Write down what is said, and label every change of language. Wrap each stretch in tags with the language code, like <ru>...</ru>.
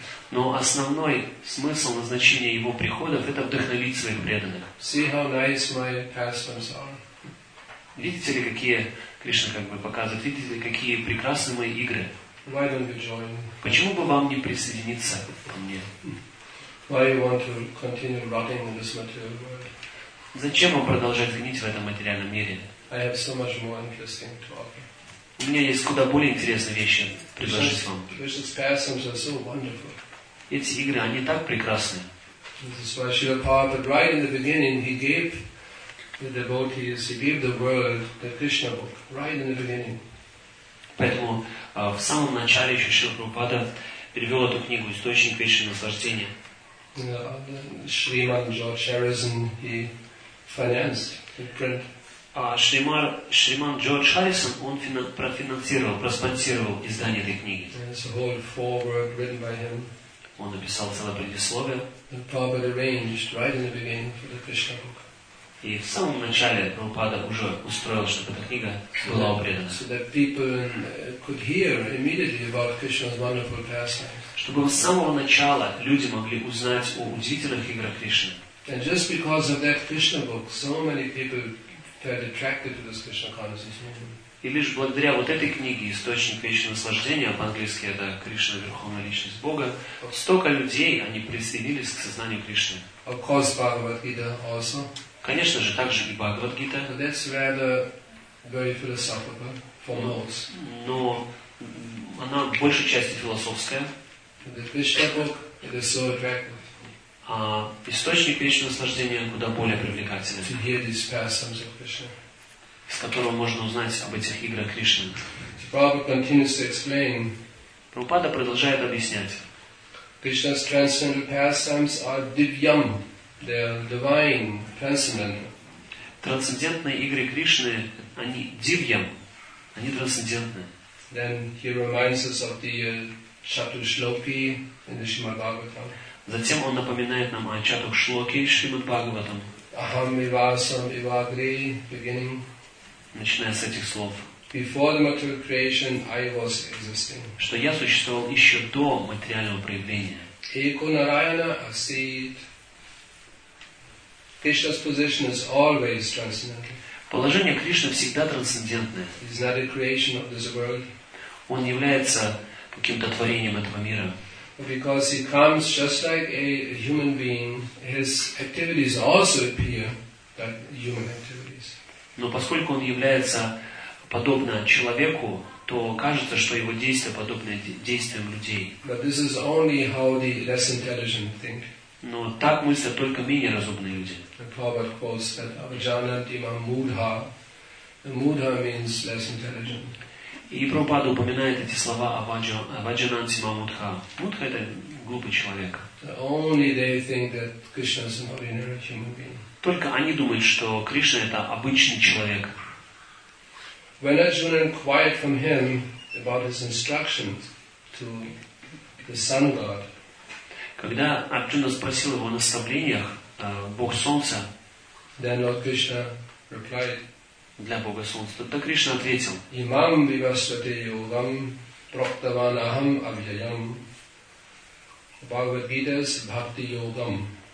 <ru>Но основной смысл, назначение его приходов — это вдохновить своих преданных.</ru> <en>See how nice my pastimes are.</en> <ru>Видите ли, какие Кришна как бы показывает? Видите ли, какие прекрасные мои игры?</ru> <en>Why don't you join?</en> <ru>Почему бы вам не присоединиться ко мне?</ru> <en>Why you want to continue rotting in this material world?</en> <ru>Зачем вам продолжать гнить в этом материальном мире?</ru> <en>I have so much more interesting to offer.</en> <ru>У меня есть куда более интересные вещи предложить вам.</ru> <en>Krishna's pastimes are so wonderful.</en> <ru>Эти игры, они так прекрасны.</ru> <en>This is why Srila Prabhupada, right in the beginning, he gave the devotees, he gave the world the Krishna book, right in the beginning.</en> <ru>Поэтому в самом начале еще Шрила Прабхупада перевел эту книгу «Источник вечного наслаждения».</ru> <en>Шриман Джордж Харрисон, he financed the print.</en> <ru>А Шриман Джордж Харрисон, он проспонсировал издание этой книги.</ru> <en>There's a whole foreword written by him.</en> <ru>Он написал целое предисловие.</ru> <en>Prabhupada arranged right in the beginning for the Krishna book.</en> <ru>И в самом начале Прабхупада уже устроил, чтобы эта книга была упредана.</ru> <en>So that people could hear immediately about Krishna's wonderful pastimes.</en> <ru>Чтобы с самого начала люди могли узнать о удивительных играх Кришны.</ru> <en>And just because of that Krishna book, so many people felt attracted to this Krishna consciousness movement.</en> <ru>И лишь благодаря вот этой книге «Источник вечного наслаждения», по-английски это «Кришна, Верховная Личность Бога», столько людей, они присоединились к сознанию Кришны.</ru> <en>Of course, Bhagavad-gita also.</en> <ru>Конечно же, также и Бхагавад-гита.</ru> <en>But that's rather very philosophical for most.</en> <ru>Но она в большей части философская.</ru> <en>The Krishna book, it is so attractive.</en> <ru>А «Источник вечного наслаждения» куда более привлекательный.</ru> <en>To hear these pastimes of Krishna.</en> <ru>С которого можно узнать об этих играх Кришны.</ru> <en>Prabhupada continues to explain.</en> <ru>Прабхупада продолжает объяснять.</ru> <en>Krishna's transcendental pastimes are divyam. They are divine, transcendental.</en> <ru>Трансцендентные игры Кришны, они дивьям, они трансцендентны.</ru> <en>Then he reminds us of the Chatushloki in the Shrimad Bhagavatam.</en> <ru>Затем он напоминает нам о Чатушлоке в Шримад Бхагаватам.</ru> <sa>Aham ivasam ivagri, beginning.</sa> <ru>Начиная с этих слов.</ru> <en>Before the material creation, I was existing.</en> <ru>Что я существовал еще до материального проявления.</ru> <sa>Eko Narayana Asit.</sa> <en>Krishna's position is always transcendental.</en> <ru>Положение Кришны всегда трансцендентное.</ru> <en>He's not a creation of this world.</en> <ru>Он является каким-то творением этого мира.</ru> <en>Because he comes just like a human being, his activities also appear like human activities.</en> <ru>Но поскольку он является подобно человеку, то кажется, что его действия подобны действиям людей.</ru> <en>But this is only how the less intelligent think.</en> <ru>Но так мыслят только менее разумные люди.</ru> <en>The Prabhupada calls that</en> <sa>Avajanantima Mudha.</sa> <en>Mudha means less intelligent.</en> <ru>И Прабхупада упоминает эти слова</ru> <sa>Avajanantima Mudha.</sa> <ru>Mudha — это глупый человек.</ru> <en>Only they think that Krishna is an ordinary human being.</en> <ru>Только они думают, что Кришна — это обычный человек.</ru> <en>When Arjuna inquired from him about his instructions to the sun god,</en> <ru>когда Арджуна спросил его о наставлениях Бога Солнца,</ru> <en>then Lord Krishna replied,</en> <ru>для Бога Солнца, тогда Кришна ответил,</ru> <sa>Imam vivasvate yogam proktavan aham avyayam Bhagavad-gita's bhakti yogam.</sa>